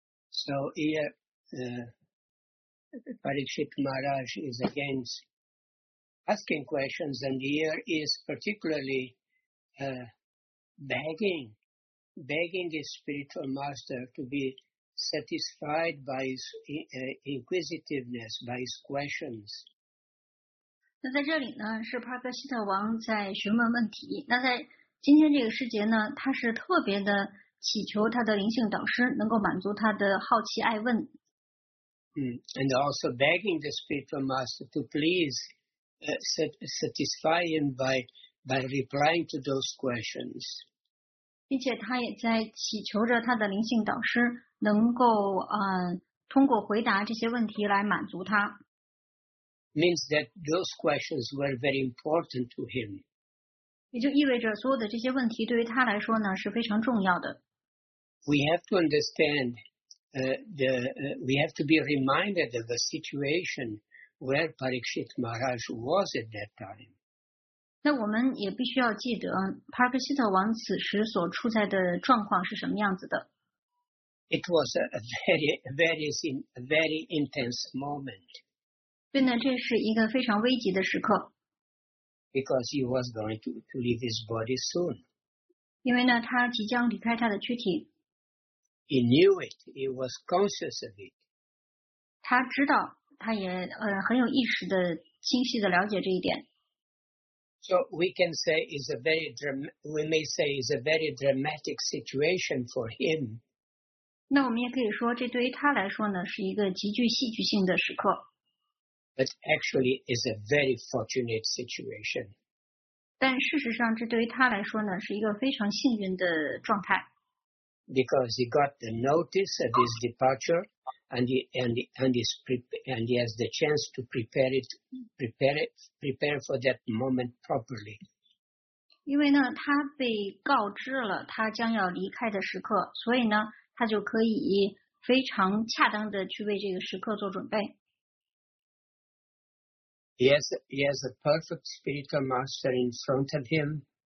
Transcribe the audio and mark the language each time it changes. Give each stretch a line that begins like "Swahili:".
English: So here Parikshit Maharaj is again asking questions, and here is particularly begging his spiritual master to be satisfied by his inquisitiveness, by his questions.
Chinese: 那在这里呢，是帕克希特王在询问问题。那在今天这个时节呢，他是特别的祈求他的灵性导师能够满足他的好奇爱问。
English: And also begging the spiritual master to please satisfy him by replying to those questions.
Chinese: 并且他也在祈求着他的灵性导师能够通过回答这些问题来满足他。
English: Means that those questions were very important to him.
Chinese: 也就意味着所有的这些问题对于他来说呢是非常重要的。
English: We have to understand, we have to be reminded of the situation where Parikshit Maharaj was at that time.
Chinese: 那我们也必须要记得帕克希特王此时所处在的状况是什么样子的。
English: It was a very intense moment.
Chinese: 对呢，这是一个非常危急的时刻。
English: Because he was going to leave his body soon.
Chinese: 因为呢，他即将离开他的躯体。
English: He knew it. He was conscious of it.
Chinese: 他知道，他也很有意识的、清晰的了解这一点。
English: So we can say is a very dramatic. We may say is a very dramatic situation for him.
Chinese: 那我们也可以说，这对于他来说呢，是一个极具戏剧性的时刻。
English: But actually, is a very fortunate situation.
Chinese: 但事实上，这对于他来说呢，是一个非常幸运的状态。
English: Because he got the notice of his departure, and he has the chance to prepare for that moment properly.
Chinese: 因为呢，他被告知了他将要离开的时刻，所以呢，他就可以非常恰当的去为这个时刻做准备。
English: He has a perfect spiritual master in front of him.